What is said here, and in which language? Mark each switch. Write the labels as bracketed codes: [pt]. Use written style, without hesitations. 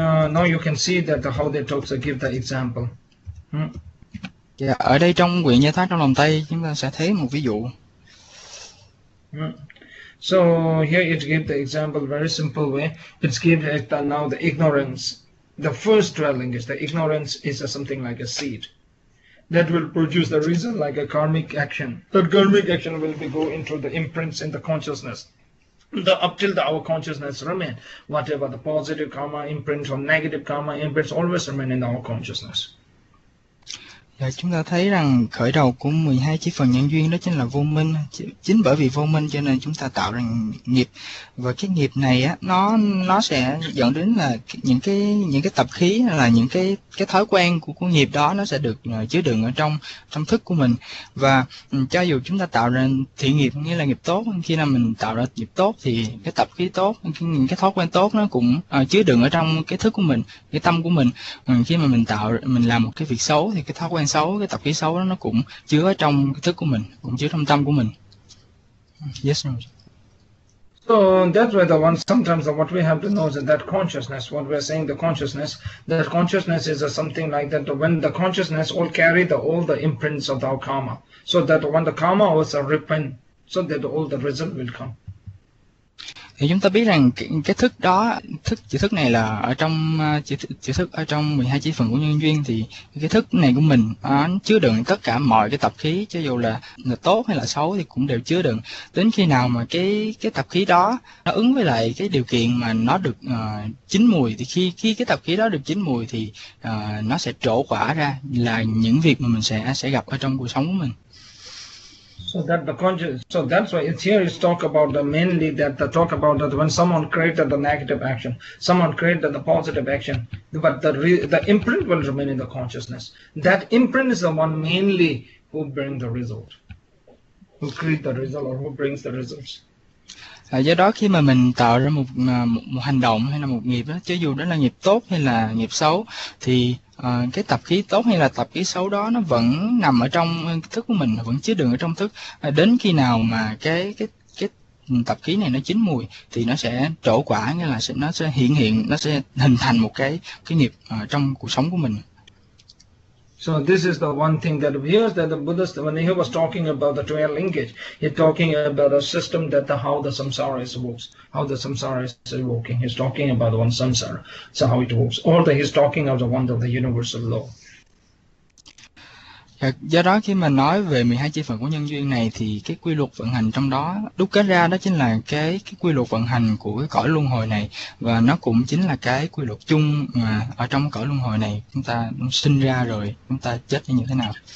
[en] Now you can see that the, how they talk to give the example. [vi] Ở đây trong quyển Như Thế Trong Lòng Tay chúng ta sẽ thấy một ví dụ. [en] So here it gives the example very simple way. It's given that now the ignorance, the first dwelling is the ignorance is a, something like a seed. That will produce the reason like a karmic action. That karmic action will be go into the imprints in the consciousness. The up till the our consciousness remain. Whatever the positive karma imprint or negative karma imprints always remain in our consciousness. [vi] Và chúng ta thấy rằng khởi đầu của 12 chi phần nhân duyên đó chính là vô minh. Chính bởi vì vô minh cho nên chúng ta tạo ra nghiệp. Và cái nghiệp này á nó sẽ dẫn đến là những cái tập khí là những cái thói quen của nghiệp đó nó sẽ được chứa đựng ở trong trong thức của mình. Và cho dù chúng ta tạo ra thiện nghiệp nghĩa là nghiệp tốt, khi nào mình tạo ra nghiệp tốt thì cái tập khí tốt, những cái thói quen tốt nó cũng chứa đựng ở trong cái thức của mình, cái tâm của mình. Khi mà mình làm một cái việc xấu thì cái thói quen xấu, cái tập khí xấu đó nó cũng chứa ở trong cái thức của mình, cũng chứa trong tâm của mình. Yes, [en] So that's where the one sometimes what we have to know is that consciousness, what we are saying, that consciousness is something like that. When the consciousness all carry the all the imprints of our karma, so that when the karma also ripen, so that all the result will come. [vi] Thì chúng ta biết rằng cái thức đó, thức chữ thức này là ở trong chữ thức ở trong 12 chi phần của nhân duyên, thì cái thức này của mình nó chứa đựng tất cả mọi cái tập khí, cho dù là tốt hay là xấu thì cũng đều chứa đựng. Đến khi nào mà cái tập khí đó nó ứng với lại cái điều kiện mà nó được chín mùi, thì khi khi cái tập khí đó được chín mùi thì nó sẽ trổ quả ra là những việc mà mình sẽ gặp ở trong cuộc sống của mình. [en] So that's why it's here is talk about the mainly that the talk about that when someone created the negative action, someone created the positive action, but the imprint will remain in the consciousness. That imprint is the one mainly who bring the result, who create the result or who brings the results. [vi] Do đó khi mà mình tạo ra một hành động hay là một nghiệp đó, cho dù đó là nghiệp tốt hay là nghiệp xấu, thì cái tập khí tốt hay là tập khí xấu đó nó vẫn nằm ở trong thức của mình, vẫn chứa đựng ở trong thức. Đến khi nào mà cái tập khí này nó chín mùi thì nó sẽ trổ quả, nghĩa là nó sẽ hiện hiện, nó sẽ hình thành một cái nghiệp trong cuộc sống của mình. [en] So this is the one thing that appears that the Buddhist, when he was talking about the 12 linkage, he's talking about a system that the, how the samsara is works, how the samsara is working. He's talking about the one samsara, so how it works. Or he's talking of the one of the universal law. [vi] Do đó khi mà nói về 12 chi phần của nhân duyên này thì cái quy luật vận hành trong đó đúc kết ra đó chính là cái quy luật vận hành của cái cõi luân hồi này, và nó cũng chính là cái quy luật chung mà ở trong cõi luân hồi này chúng ta sinh ra rồi chúng ta chết như thế nào.